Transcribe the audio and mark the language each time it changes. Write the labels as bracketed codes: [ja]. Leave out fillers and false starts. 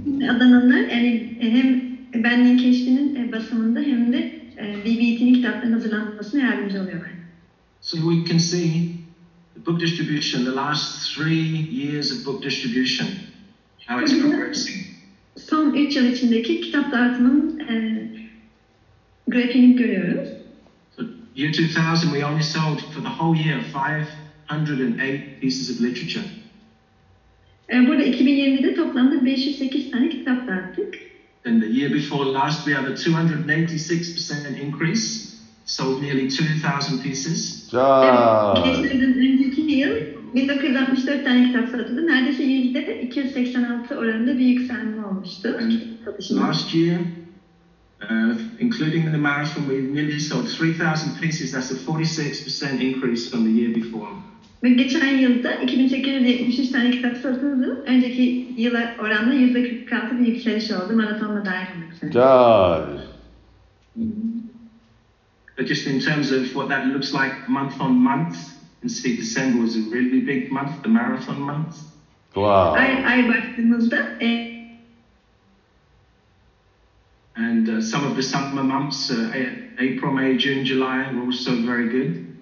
[tr] Adananlar hem benliğin keşfinin basımında hem de BBT'nin kitaplarının hazırlanmasına yardımcı oluyorlar. [en] So we can see the book distribution, the last 3 years of book distribution, how it's progressing. [tr] Son 3 yıl içindeki kitap dağıtımının grafiğini görüyoruz. [en] So year 2000 we only sold for the whole year 508 pieces of literature. [tr] Burada 2020'de toplamda 508 tane kitap dağıttık. [en] And the year before last we have a 286% increase, sold nearly 2000 pieces. [tr] Geçen yıl 1964 tane kitap satıldı. Neredeyse %286 oranında bir yükselme olmuştu. [en] Last year, including the marathon, we nearly sold 3000 pieces. That's a 46% increase from the year before. [tr] Ve geçen yılda 2873 tane kitap satıldı. Önceki yıla oranla %46 bir yükseliş oldu. Maratonla dair bir yükseliş. [en] But just in terms of what that looks like month on month, and see December was a really big month, the marathon month. Wow. [tr] Ay baktığımızda. [en] And some of the summer months, April, May, June, July, were also very good.